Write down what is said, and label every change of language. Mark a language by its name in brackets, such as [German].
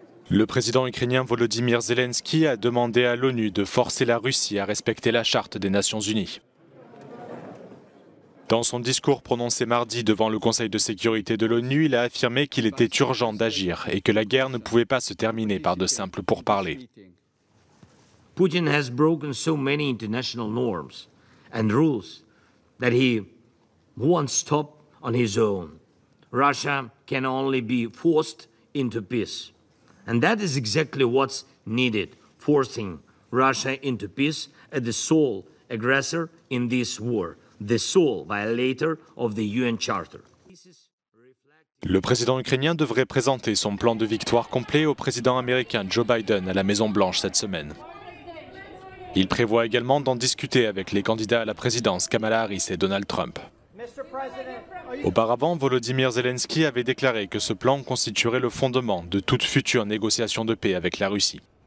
[French] Le président ukrainien Volodymyr Zelensky a demandé à l'ONU de forcer la Russie à respecter la Charte des Nations Unies. Dans son discours prononcé mardi devant le Conseil de sécurité de l'ONU, il a affirmé qu'il était urgent d'agir et que la guerre ne pouvait pas se terminer par de simples pourparlers. [English] Putin has broken so many international norms and rules that he won't stop on his own. Russia can only be forced into peace. And that is exactly what's needed, forcing Russia into peace as the sole aggressor in this war, the sole violator of the UN Charter. [French] Le président ukrainien devrait présenter son plan de victoire complet au président américain Joe Biden à la Maison-Blanche cette semaine. Il prévoit également d'en discuter avec les candidats à la présidence Kamala Harris et Donald Trump. Auparavant, Volodymyr Zelensky avait déclaré que ce plan constituerait le fondement de toute future négociation de paix avec la Russie.